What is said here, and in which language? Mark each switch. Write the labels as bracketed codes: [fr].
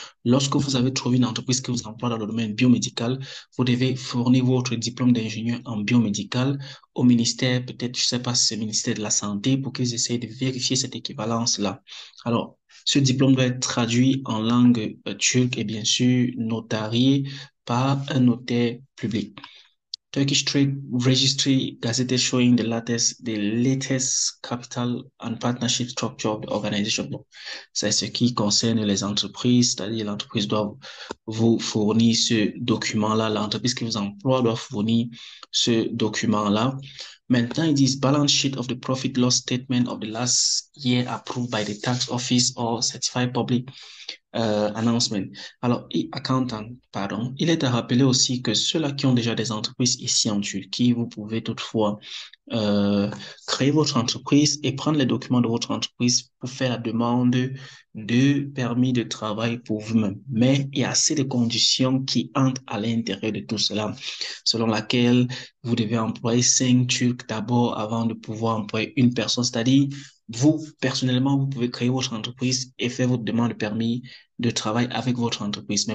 [fr] Lorsque vous avez trouvé une entreprise qui vous emploie dans le domaine biomédical, vous devez fournir votre diplôme d'ingénieur en biomédical au ministère, peut-être, je ne sais pas, c'est le ministère de la Santé, pour qu'ils essayent de vérifier cette équivalence-là. Alors, ce diplôme doit être traduit en langue turque et bien sûr notarié par un notaire public. [en] Turkish Trade Registry Gazette showing the latest capital and partnership structure of the organization. [fr] Bon, c'est ce qui concerne les entreprises, c'est-à-dire l'entreprise doit vous fournir ce document-là, l'entreprise qui vous emploie doit fournir ce document-là. Maintenant, ils disent [en] balance sheet of the profit loss statement of the last year approved by the tax office or certified public announcement. [fr] Alors, accountant, pardon, il est à rappeler aussi que ceux-là qui ont déjà des entreprises ici en Turquie, vous pouvez toutefois créer votre entreprise et prendre les documents de votre entreprise pour faire la demande de permis de travail pour vous-même. Mais il y a assez de conditions qui entrent à l'intérieur de tout cela, selon laquelle vous devez employer 5 Turcs d'abord avant de pouvoir employer une personne, c'est-à-dire vous, personnellement, vous pouvez créer votre entreprise et faire votre demande de permis de travail avec votre entreprise.